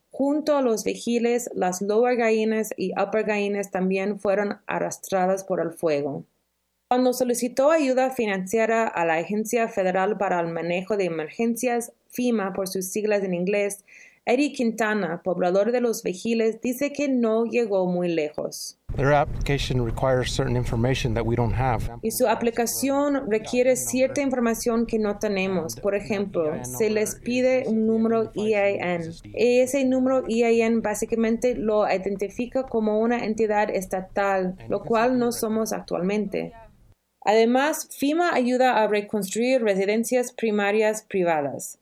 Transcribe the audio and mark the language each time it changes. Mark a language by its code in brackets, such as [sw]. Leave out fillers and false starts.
[es] Junto a los Vigiles, las Lower Gallinas y Upper Gallinas también fueron arrastradas por el fuego. Cuando solicitó ayuda financiera a la Agencia Federal para el Manejo de Emergencias, FEMA por sus siglas en inglés, Eddie Quintana, poblador de Los Vigiles, dice que no llegó muy lejos. [en] Their application requires certain information that we don't have. [es] Y su aplicación requiere cierta información que no tenemos. Por ejemplo, se les pide un número EIN. Y ese número EIN básicamente lo identifica como una entidad estatal, lo cual no somos actualmente. Además, FEMA ayuda a reconstruir residencias primarias privadas.